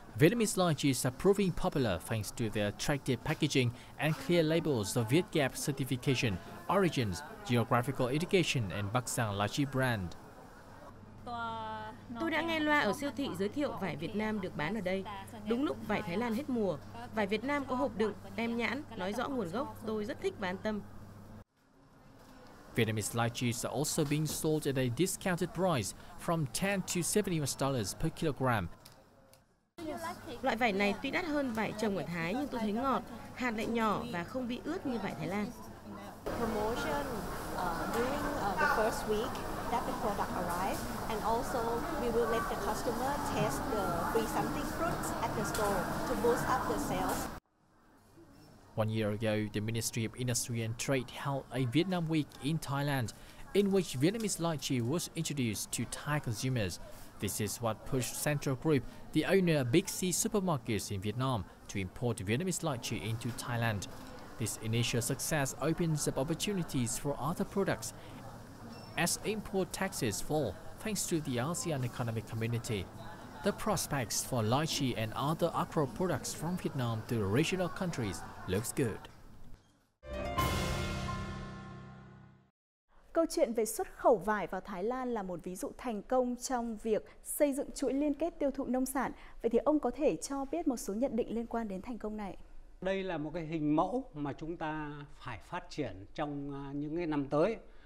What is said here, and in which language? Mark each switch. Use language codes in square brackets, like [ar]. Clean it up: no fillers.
[en] Vietnamese launches are proving popular thanks to their attractive packaging and clear labels of VietGAP certification, origins, geographical education and Baksan Lachi brand. [vi] Tôi đã nghe loa ở siêu thị giới thiệu vải Việt Nam được bán ở đây. Đúng lúc vải Thái Lan hết mùa, vải Việt Nam có hộp đựng, tem nhãn, nói rõ nguồn gốc, tôi rất thích và an tâm. [en] Vietnamese lychees are also being sold at a discounted price from $10 to $70 per kilogram. [vi] Loại vải này tuy đắt hơn vải trồng ở Thái nhưng tôi thấy ngọt, hạt lại nhỏ và không bị ướt như vải Thái Lan. [en] Promotion during the first week that the product arrived, and also we will let the customer test the free sampling fruits at the store to boost up the sales. 1 year ago, the Ministry of Industry and Trade held a Vietnam Week in Thailand, in which Vietnamese lychee was introduced to Thai consumers. This is what pushed Central Group, the owner of Big C Supermarkets in Vietnam, to import Vietnamese lychee into Thailand. This initial success opens up opportunities for other products as import taxes fall thanks to the ASEAN Economic Community. The prospects for lychee and other agro products from Vietnam to regional countries looks good. [vi] Câu chuyện về xuất khẩu vải vào Thái Lan là một ví dụ thành công trong việc xây dựng chuỗi liên kết tiêu thụ nông sản. Vậy thì ông có thể cho biết một số nhận định liên quan đến thành công này? Đây là một cái hình mẫu mà chúng ta phải phát triển trong những cái năm tới.